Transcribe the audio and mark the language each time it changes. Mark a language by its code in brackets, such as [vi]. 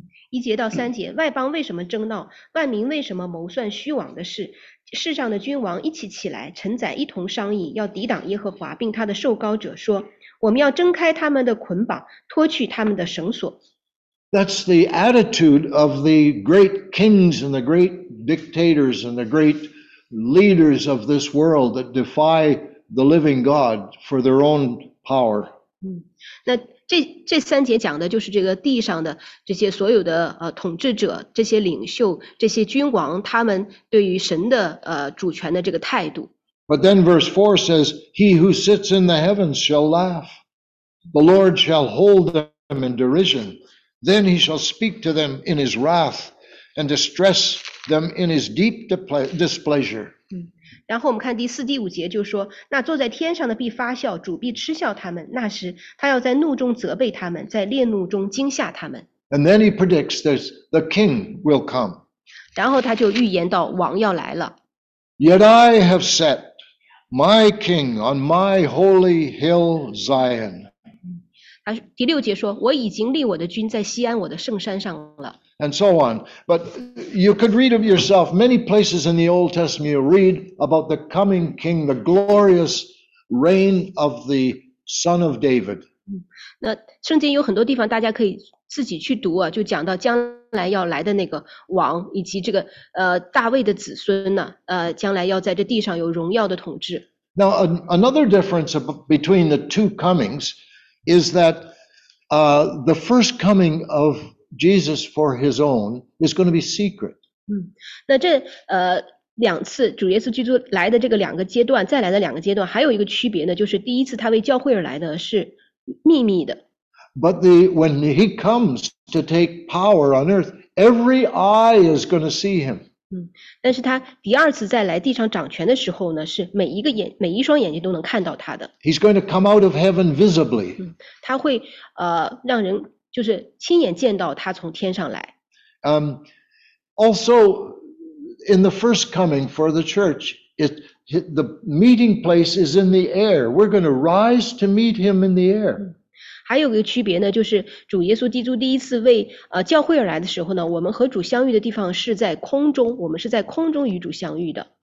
[zh] 一节到三节，外邦为什么争闹？万民为什么谋算虚妄的事？世上的君王一起起来，臣宰一同商议，要抵挡耶和华，并他的受膏者，说：我们要挣开他们的捆绑，脱去他们的绳索。 [en] That's the attitude of the great kings and the great dictators and the great leaders of this world that defy the living God for their own power. [zh] 那这三节讲的就是这个地上的这些所有的统治者，这些领袖，这些君王，他们对于神的主权的这个态度。 [en] But then verse 4 says, He who sits in the heavens shall laugh. The Lord shall hold them in derision. Then he shall speak to them in his wrath and distress them in his deep displeasure. [zh] 然后我们看第四、第五节，就说那坐在天上的必发笑，主必嗤笑他们。那时，他要在怒中责备他们，在烈怒中惊吓他们。 [en] And then he predicts that the king will come. [zh] 然后他就预言到王要来了。 [en] Yet I have set my king on my holy hill Zion. [zh] 第六节说，我已经立我的君在锡安，我的圣山上了。 [en] And so on. But you could read of yourself many places in the Old Testament. You read about the coming king, the glorious reign of the son of David. [zh] 那圣经有很多地方大家可以自己去读啊，就讲到将来要来的那个王，以及这个大卫的子孙呢，将来要在这地上有荣耀的统治。 [en] Now, another difference between the two comings is that the first coming of Jesus for his own is going to be secret. [zh] 那这两次主耶稣基督来的这个两个阶段，再来的两个阶段，还有一个区别呢，就是第一次他为教会而来的是秘密的。 [en] But the, when he comes to take power on earth, every eye is going to see him. [zh] 但是他第二次再来地上掌权的时候呢，是每一个眼，每一双眼睛都能看到他的。 [en] He's going to come out of heaven visibly. [zh] 他会让人就是亲眼见到他从天上来。 [en] Also, in the first coming for the church, the meeting place is in the air. We're going to rise to meet him in the air. [zh] 还有一个区别呢，就是主耶稣基督第一次为教会而来的时候呢，我们和主相遇的地方是在空中，我们是在空中与主相遇的。